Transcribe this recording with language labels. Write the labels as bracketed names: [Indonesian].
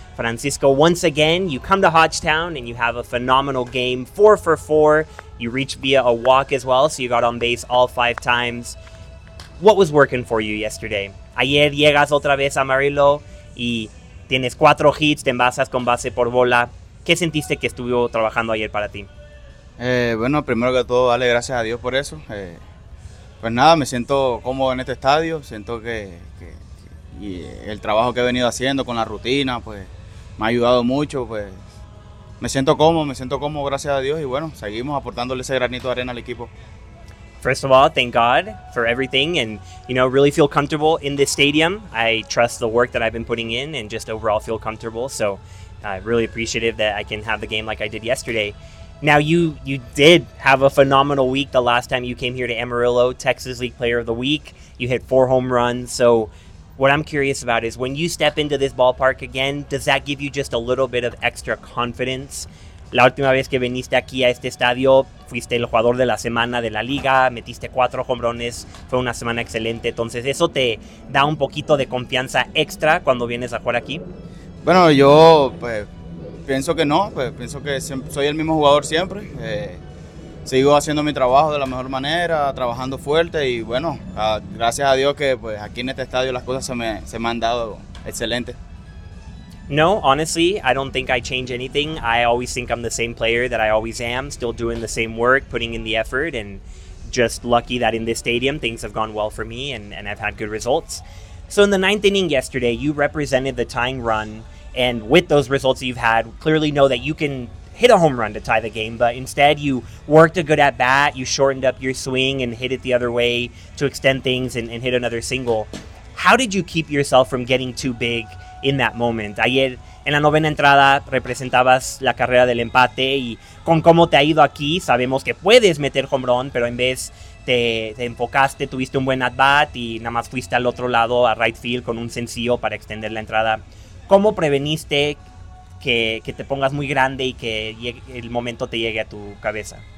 [English] Francisco, once again, you come to Hodgetown and you have a phenomenal game, 4-for-4. You reach via a walk as well, so you got on base all five times. What was working for you yesterday? [Spanish] Ayer llegas otra vez a Amarillo y tienes 4 hits, te envasas con base por bola. ¿Qué sentiste que estuvo trabajando ayer para ti? Bueno, primero que todo, darle gracias a Dios por eso. Pues nada, me siento cómodo en este estadio. Siento que el trabajo que he venido haciendo con la rutina, pues me ha ayudado mucho. Pues me siento cómodo, gracias a Dios. Y bueno, seguimos aportándole ese granito de arena al equipo. [English] First of all, thank God for everything, and you know, really feel comfortable in this stadium. I trust the work that I've been putting in, and just overall feel comfortable. So, really appreciative that I can have the game like I did yesterday. Now, you did have a phenomenal week the last time you came here to Amarillo, Texas League Player of the Week. You hit 4 home runs. So, what I'm curious about is when you step into this ballpark again, does that give you just a little bit of extra confidence? [Spanish] La última vez que viniste aquí a este estadio, fuiste el jugador de la semana de la liga, metiste 4 jonrones, fue una semana excelente. Entonces, ¿eso te da un poquito de confianza extra cuando vienes a jugar aquí? Bueno, yo pues pienso que no, pues pienso que soy el mismo jugador siempre. Sigo haciendo mi trabajo de la mejor manera, trabajando fuerte y bueno, gracias a Dios que pues aquí en este estadio las cosas se me han dado excelente. [English] No, honestly, I don't think I change anything. I always think I'm the same player that I always am, still doing the same work, putting in the effort, and just lucky that in this stadium things have gone well for me and I've had good results. So in the 9th inning yesterday, you represented the tying run, and with those results you've had, clearly know that you can hit a home run to tie the game, but instead you worked a good at-bat, you shortened up your swing and hit it the other way to extend things and hit another single. How did you keep yourself from getting too big in that moment? [Spanish] Ayer, en la novena entrada, representabas la carrera del empate y con cómo te ha ido aquí, sabemos que puedes meter home run, pero en vez te enfocaste, tuviste un buen at-bat y nada más fuiste al otro lado, a right field, con un sencillo para extender la entrada. ¿Cómo preveniste que te pongas muy grande y que el momento te llegue a tu cabeza?